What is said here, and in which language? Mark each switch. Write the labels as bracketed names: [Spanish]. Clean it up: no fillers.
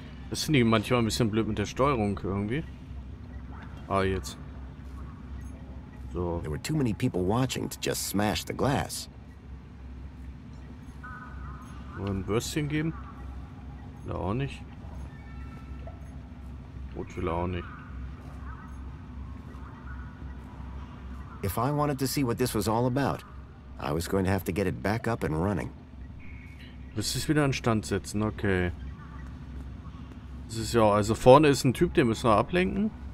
[German] Das sind die manchmal ein bisschen blöd mit der Steuerung irgendwie. Ah, jetzt. So. [English] There were too many people watching to just smash the glass. [German] Wollen wir ein Würstchen geben? Da auch nicht. Brot will auch nicht. [English] If I wanted to see what this was all about, I was going to have to get it back up and running. [German] Müsste ich es wieder in Stand setzen, okay. Das ist ja, also vorne ist ein Typ, den müssen wir ablenken.